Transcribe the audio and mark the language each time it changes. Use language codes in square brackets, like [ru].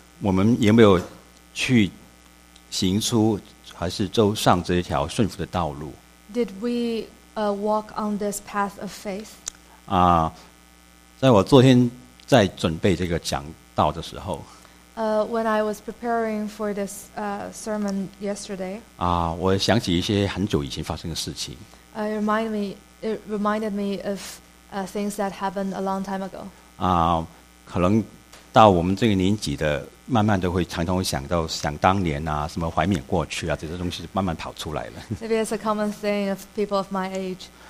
[zh] 我们有没有去行出还是走上这一条顺服的道路 [en] ？Did we walk on this path of faith？ [zh] 啊，在我昨天在准备这个讲道的时候 [en] ，When I was preparing for this sermon yesterday， [zh] 啊，我想起一些很久以前发生的事情。 [en] It reminded me of things that happened a long time ago。 [zh] 啊，可能。到我们这个年纪的慢慢都会常常会想到想当年啊什么怀缅过去啊这些东西慢慢跑出来了 [en] Maybe it's a common thing of people of my age